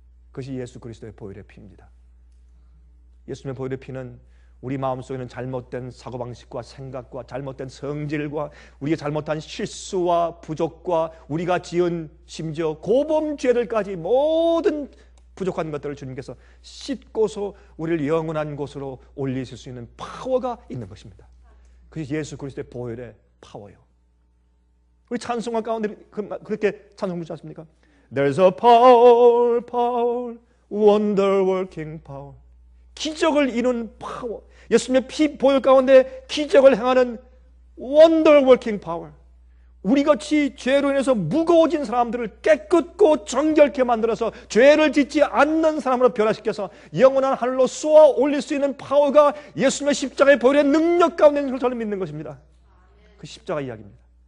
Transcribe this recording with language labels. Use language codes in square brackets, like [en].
[ko] 그것이 예수 그리스도의 보혈의 피입니다. 예수님의 보혈의 피는 우리 마음속에는 잘못된 사고방식과 생각과 잘못된 성질과 우리의 잘못한 실수와 부족과 우리가 지은 심지어 고범죄들까지 모든 부족한 것들을 주님께서 씻고서 우리를 영원한 곳으로 올리실 수 있는 파워가 있는 것입니다. 그것이 예수 그리스도의 보혈의 파워요. 우리 찬송가 가운데 그렇게 찬송 부르지 않습니까? [en] There's a power, power, wonder working power. [ko] 기적을 이루는 파워. 예수님의 피 보혈 가운데 기적을 행하는 [en] wonder working power. [ko] 우리같이 죄로 인해서 무거워진 사람들을 깨끗고 정결케 만들어서 죄를 짓지 않는 사람으로 변화시켜서 영원한 하늘로 쏘아 올릴 수 있는 파워가 예수님의 십자가의 보혈의 능력 가운데 있는 것을 저는 믿는 것입니다. 그 십자가 이야기입니다.